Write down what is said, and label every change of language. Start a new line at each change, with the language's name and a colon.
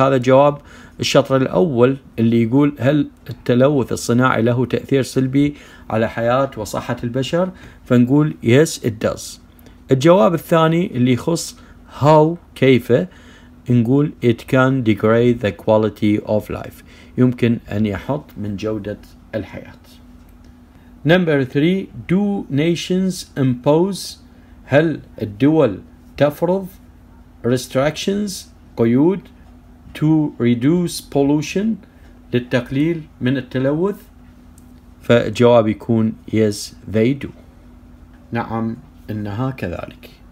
Arabic: هذا جواب الشطر الأول اللي يقول هل التلوث الصناعي له تأثير سلبي على حياة وصحة البشر، فنقول
English: yes it does.
Arabic: الجواب الثاني اللي يخص
English: how،
Arabic: كيف، نقول
English: it can degrade the quality of life،
Arabic: يمكن أن يحط من جودة الحياة.
English: Number 3 do nations impose،
Arabic: هل الدول تفرض
English: restrictions،
Arabic: قيود،
English: to reduce pollution،
Arabic: للتقليل من التلوث. فالجواب يكون
English: yes they do،
Arabic: نعم انها كذلك.